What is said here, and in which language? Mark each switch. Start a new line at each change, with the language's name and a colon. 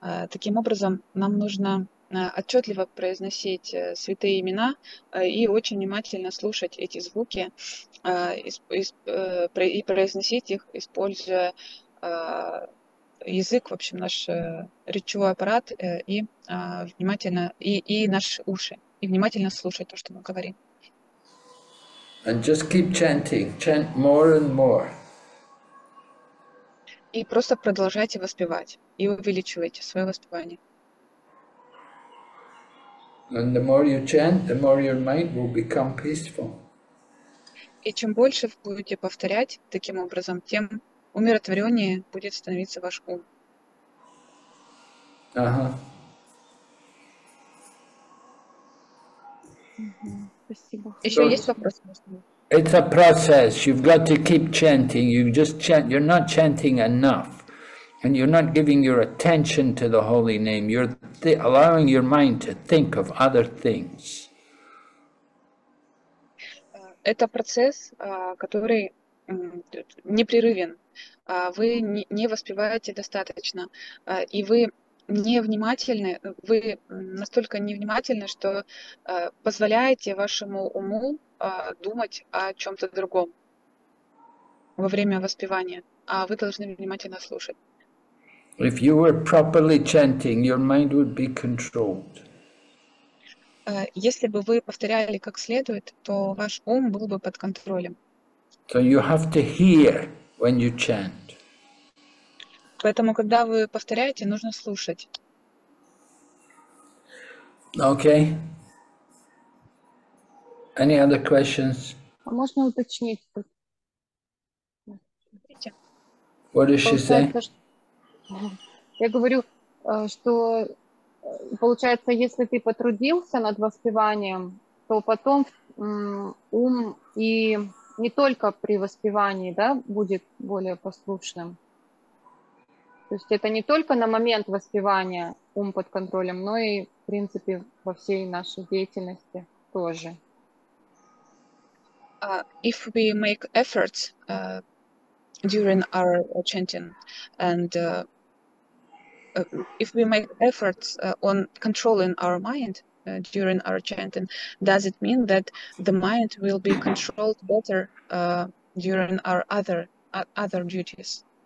Russian: Таким образом, нам нужно отчетливо произносить святые имена и очень внимательно слушать эти звуки и произносить их, используя язык, в общем, наш речевой аппарат и внимательно и наши уши, и внимательно слушать то, что мы говорим.
English: And just keep chanting, chant more and more.
Russian: И просто продолжайте воспевать и увеличивайте свое воспевание.
English: And the more you chant, the more your mind will become peaceful.
Russian: И чем больше вы будете повторять таким образом, тем умиротворённее будет становиться ваш ум. Ага. Спасибо. Ещё есть вопросы?
English: It's a process. You've got to keep chanting. You just chant. You're not chanting enough. And you're not giving your attention to the holy name. You're allowing your mind to think of other things.
Russian: Это процесс, который непрерывен. Вы не воспеваете достаточно, и вы невнимательны. Вы настолько невнимательны, что позволяете вашему уму думать о чем-то другом во время воспевания. А вы должны внимательно слушать.
English: If you were properly chanting, your mind would be controlled.
Russian: Если бы вы повторяли как следует, то ваш ум был бы под контролем.
English: So you have to hear when you chant.
Russian: Поэтому, когда вы повторяете, нужно слушать.
English: Okay. Any other questions?
Russian: А можно уточнить?
English: What did she say?
Russian: Я говорю, что получается, если ты потрудился над воспеванием, то потом ум и не только при воспевании, да, будет более послушным. То есть это не только на момент воспевания ум под контролем, но и, в принципе, во всей нашей деятельности тоже.
English: If we make efforts during our chanting, and if we make efforts on controlling our mind during our chanting, does it mean that the mind will be controlled better during our other duties?